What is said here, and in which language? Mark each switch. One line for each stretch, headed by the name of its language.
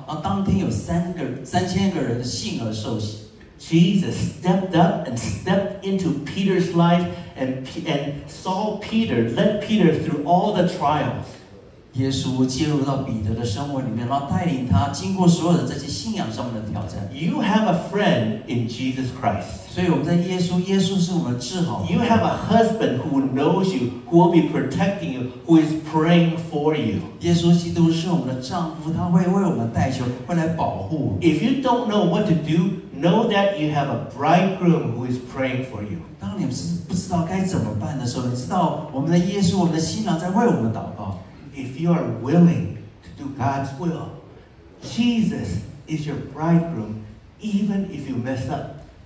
Chinese: 在五旬节的当日的早晨，彼得就讲了一篇道，然后当天有三千个人信而受洗。
English: Jesus stepped up and stepped into Peter's life and saw Peter, led Peter through all the trials.
Chinese: 耶稣介入到彼得的生活里面，然后带领他经过所有的这些信仰上面的挑战。
English: You have a friend in Jesus Christ.
Chinese: 所以我们在耶稣，耶稣是我们的至好。
English: You have a husband who knows you, who will be protecting you, who is praying for you.
Chinese: 耶稣基督是我们的丈夫，他会为我们代求，会来保护我们。
English: If you don't know what to do, know that you have a bridegroom who is praying for you.
Chinese: 当你们是不知道该怎么办的时候，你知道我们的耶稣，我们的新郎在为我们祷告。
English: If you are willing to do God's will, Jesus is your bridegroom, even if you mess up.